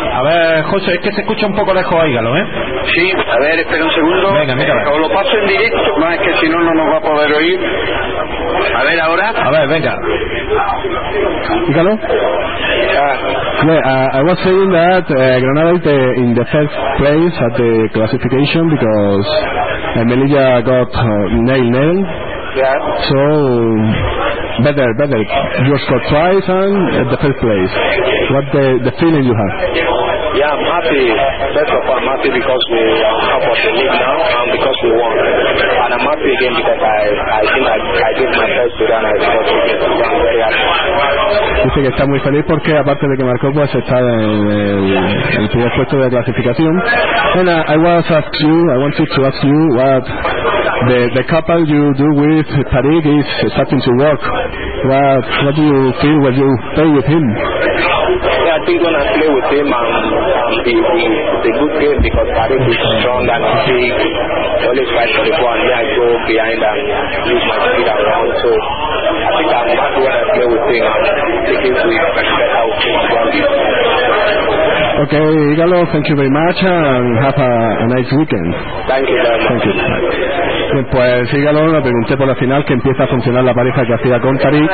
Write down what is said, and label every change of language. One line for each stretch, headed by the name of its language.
Spanish: A ver, José, es que se escucha un poco lejos, Hígalo, ¿eh? Sí. A ver, espera un segundo. Venga, mira. O lo paso en directo. No, es que si no, no nos va a poder oír. A ver, ahora. A ver, venga. Hígalo.
English: I was saying that Granada is in the first place at the classification because Melilla got nail. Yeah. So, better. You scored twice and at the first place. What the feeling you have? Yeah, I'm happy. First of all, I'm happy because we are up at the league now and because we won. And I'm happy again because I think I did my best today and I scored two games. I'm very happy.
Spanish: Dice que está muy feliz porque aparte de que marcó, pues está en el primer puesto de clasificación.
English: And I want to ask you what the couple you do with Tariq is starting to work. What do you feel when you play with him? Yeah, I think when I play with him, it's a good game because Tariq is strong and big. Always fight for the ball and then I go behind and use my speed around. So I think I'm happy when I play with him. I think it's a better outcome. Okay, Igalo, thank you very much and have a nice weekend. Thank you.
Spanish: Bien, pues Igalo, le pregunté por la final que empieza a funcionar la pareja que hacía con Tarik.